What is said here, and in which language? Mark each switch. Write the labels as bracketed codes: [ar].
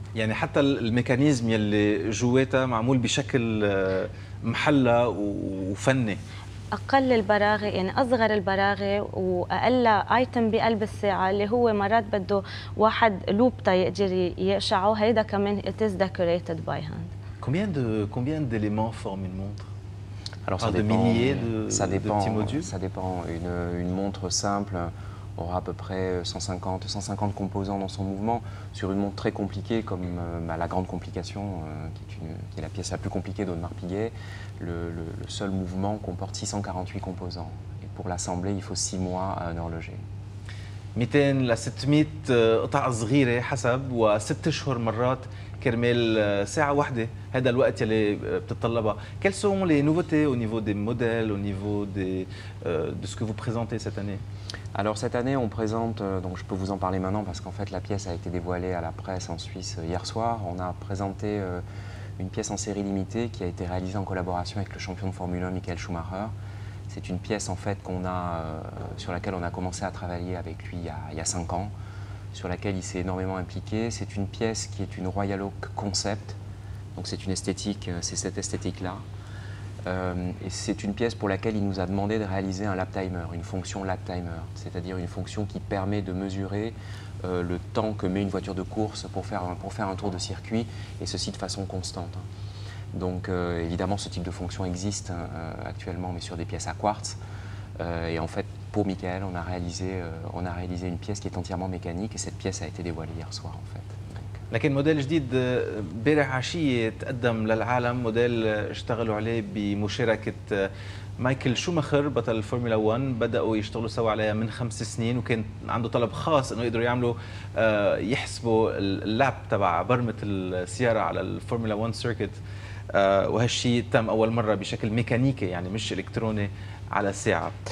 [ar] يعني حتى الميكانيزم يلي جواتها معمول بشكل محلى وفني، اقل البراغي، يعني اصغر البراغي واقل ايتم بقلب الساعه اللي هو مرات بده واحد لوب تا يقدر يقشعه، هيدا كمان [en] it is decorated by hand. [fr] combien d'éléments forment une montre? Alors ça dépend, une montre simple aura à peu près 150 composants dans son mouvement. Sur une montre très compliquée comme la grande complication, qui est la pièce la plus compliquée d'Audemars Piguet, le seul mouvement comporte 648 composants. Et pour l'assembler, il faut 6 mois à un horloger. 200 à 700 [ar] قطع صغيرة حسب، و 6 أشهر مرات كرمال ساعة واحدة، هذا الوقت اللي بتطلبها. [fr] Quelles sont les nouveautés au niveau des modèles, au niveau de ce que vous présentez cette année? Alors cette année on présente, donc je peux vous en parler maintenant parce qu'en fait la pièce a été dévoilée à la presse en Suisse hier soir. On a présenté une pièce en série limitée qui a été réalisée en collaboration avec le champion de Formule 1 Michael Schumacher. C'est une pièce en fait qu'on a, sur laquelle on a commencé à travailler avec lui il y a 5 ans, sur laquelle il s'est énormément impliqué. C'est une pièce qui est une Royal Oak concept, donc c'est une esthétique, c'est cette esthétique là. Et c'est une pièce pour laquelle il nous a demandé de réaliser un lap timer, une fonction lap timer, c'est-à-dire une fonction qui permet de mesurer le temps que met une voiture de course pour faire un tour de circuit, et ceci de façon constante. Donc évidemment ce type de fonction existe actuellement, mais sur des pièces à quartz. Et en fait pour Michael, on a réalisé une pièce qui est entièrement mécanique, et cette pièce a été dévoilée hier soir en fait. [ar] لكن موديل جديد امبارح عشية تقدم للعالم، موديل اشتغلوا عليه بمشاركة مايكل شوماخر بطل فورمولا 1. بدأوا يشتغلوا سوا عليها من 5 سنين، وكان عنده طلب خاص انه يقدروا يعملوا يحسبوا اللاب تبع برمة السيارة على الفورمولا 1 سيركت، وهالشيء تم أول مرة بشكل ميكانيكي يعني مش إلكتروني على ساعة.